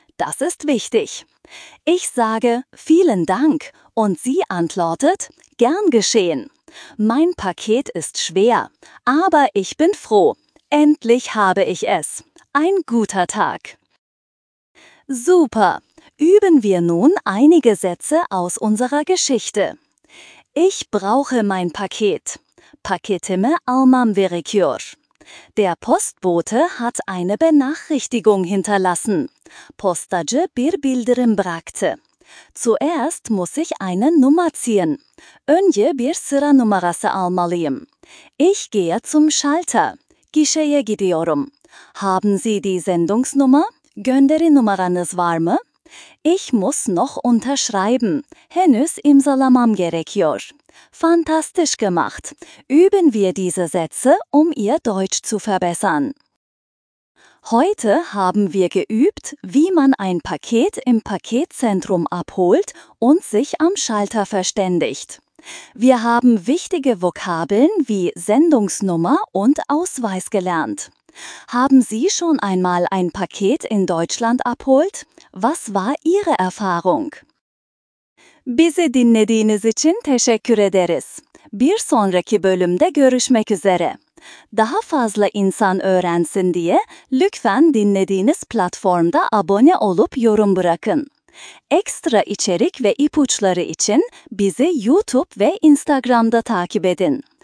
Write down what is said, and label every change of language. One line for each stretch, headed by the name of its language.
German: Das ist wichtig. Ich sage, vielen Dank, und sie antwortet, gern geschehen. Mein Paket ist schwer, aber ich bin froh. Endlich habe ich es. Ein guter Tag. Super! Üben wir nun einige Sätze aus unserer Geschichte. Ich brauche mein Paket.
Turkish: Paketimi almam gerekiyor.
German: Der Postbote hat eine Benachrichtigung hinterlassen.
Turkish: Postacı bir bildirim bıraktı.
German: Zuerst muss ich eine Nummer ziehen.
Turkish: Önce bir sıra numarası almalıyım.
German: Ich gehe zum Schalter.
Turkish: Gişeye gidiyorum.
German: Haben Sie die Sendungsnummer?
Turkish: Gönderi numaranız var mı?
German: Ich muss noch unterschreiben.
Turkish: Henüz imzalamam gerekiyor.
German: Fantastisch gemacht. Üben wir diese Sätze, um Ihr Deutsch zu verbessern. Heute haben wir geübt, wie man ein Paket im Paketzentrum abholt und sich am Schalter verständigt. Wir haben wichtige Vokabeln wie Sendungsnummer und Ausweis gelernt. Haben Sie schon einmal ein Paket in Deutschland abholt? Was war Ihre Erfahrung?
Turkish: Bizi dinlediğiniz için teşekkür ederiz. Bir sonraki bölümde görüşmek üzere. Daha fazla insan öğrensin diye lütfen dinlediğiniz platformda abone olup yorum bırakın. Ekstra içerik ve ipuçları için bizi YouTube ve Instagram'da takip edin.